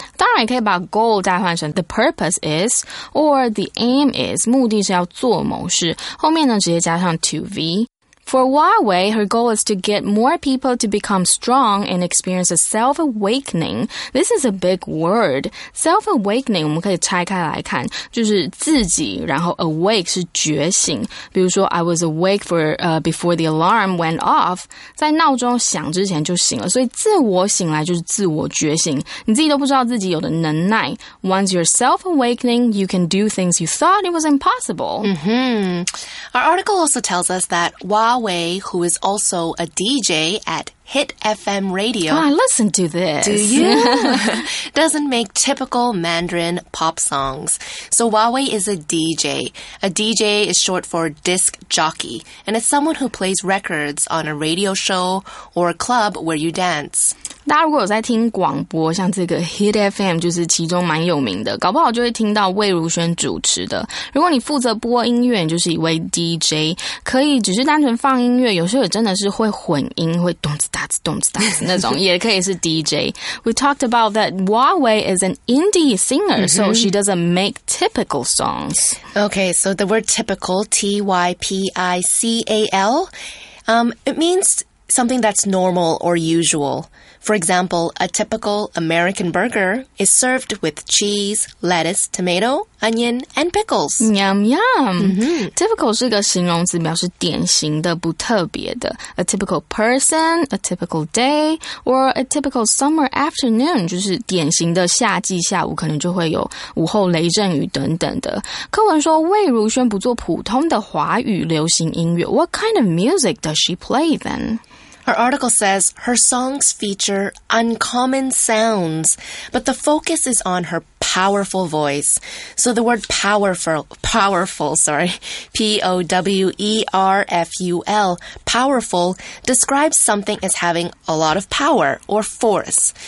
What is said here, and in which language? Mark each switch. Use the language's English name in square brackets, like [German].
[Chinese] 当然也可以把 [English] goal [Chinese] 代换成 [English] the purpose is, or the aim is, [Chinese] 目的是要做某事，后面呢直接加上 [English] to v,For Huawei, her goal is to get more people to become strong and experience a self-awakening. This is a big word. [Chinese] Self-awakening, 我们可以拆开来看，就是自己，然后 awake 是觉醒。比如说 [English] I was awake before the alarm went off. [Chinese] 在闹钟响之前就醒了。所以自我醒来就是自我觉醒。你自己都不知道自己有的能耐。 [English] Once you're self-awakening, you can do things you thought it was impossible. Mm-hmm. Our article also tells us that Huawei, who is also a DJ at Hit FM Radio. Oh, I listen to this. Do you? Doesn't make typical Mandarin pop songs. So Huawei is a DJ. A DJ is short for disc jockey, and it's someone who plays records on a radio show or a club where you dance. [Chinese] 大家如果有在听广播，像这个 Hit FM 就是其中蛮有名的，搞不好就会听到魏如萱主持的。如果你负责播音乐，你就是一位 DJ， 可以只是单纯放音乐，有时候也真的是会混音，会咚子哒子咚子哒子那种，也可以是 DJ。 [English] We talked about that Huawei is an indie singer,、mm-hmm. so she doesn't make typical songs. Okay, so the word typical, T-Y-P-I-C-A-L, it means something that's normal or usual. For example, a typical American burger is served with cheese, lettuce, tomato, onion, and pickles. Yum, yum.、 Mm-hmm. [Chinese] Typical 是一个形容词，表示典型的，不特别的。 [English] A typical person, a typical day, or a typical summer afternoon, [Chinese] 就是典型的夏季下午，可能就会有午后雷阵雨等等的。课文说魏如萱不做普通的华语流行音乐。 [English] What kind of music does she play then? Her article says her songs feature uncommon sounds, but the focus is on her powerful voice. So the word powerful, powerful, describes something as having a lot of power or force.